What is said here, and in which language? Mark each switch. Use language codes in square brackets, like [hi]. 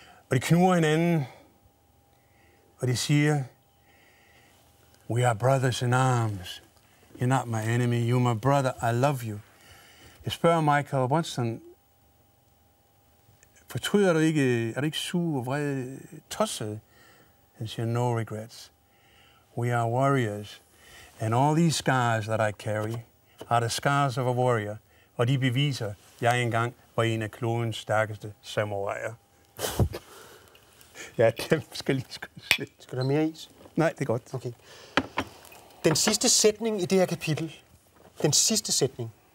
[da] Og de knurrer hinanden. Og de siger, [en] we are brothers in arms. You're not my enemy. You're my brother. I love you. [da] Jeg spørger Michael Brunson, fortryder du ikke, er du ikke sur og vred, tosset? Han siger, [en] no regrets. We are warriors. And all these scars that I carry are the scars of a warrior. [da] Og de beviser, jeg engang var en af klodens stærkeste samuraier. Ja, det skal lige skulle. Skal der mere is? Nej, det er godt. Okay. Den sidste sætning i det her kapitel. Den sidste sætning.